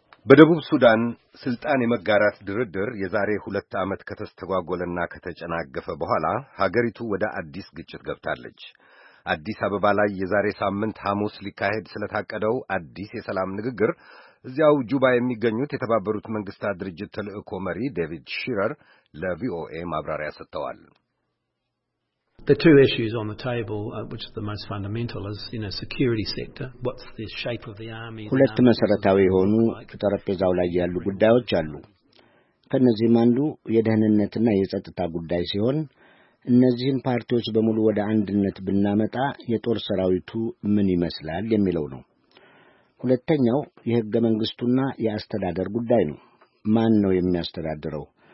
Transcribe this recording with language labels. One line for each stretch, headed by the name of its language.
Amharic: በደቡብ ሱዳን ስልጣን የመጋራት ድርድር የዛሬ 2 ዓመት ከተስተጓጎለና ከተጨናገፈ በኋላ ሀገሪቱ ወደ አዲስ ግጭት ገብታለች። አዲስ አበባ ላይ የዛሬ ሳምንት ሐሙስ ሊካሄድ ስለታቀደው አዲስ የሰላም ንግግር እዚያው ጁባ የሚገኙት የተባበሩት መንግስታት ድርጅት ተልእኮ መሪ ዴቪድ ሺረር ለቪኦኤ ማብራሪያ ሰጥተዋል።
English: The two issues on the table, which are the most fundamental, is, you know, security sector. What's the shape of the army?
Amharic: ሁለት መሰረታዊ የሆኑ ጠረጴዛው ላይ ያሉ ጉዳዮች አሉ። ከነዚህም አንዱ የደህንነትና የጸጥታ ጉዳይ ሲሆን እነዚህን ፓርቲዎች በሙሉ ወደ አንድነት ብናመጣ የጦር ሰራዊቱ ምን ይመስላል የሚለው ነው። ሁለተኛው የሕገ መንግስቱና የአስተዳደር ጉዳይ ነው። ማን ነው የሚያስተዳድረው?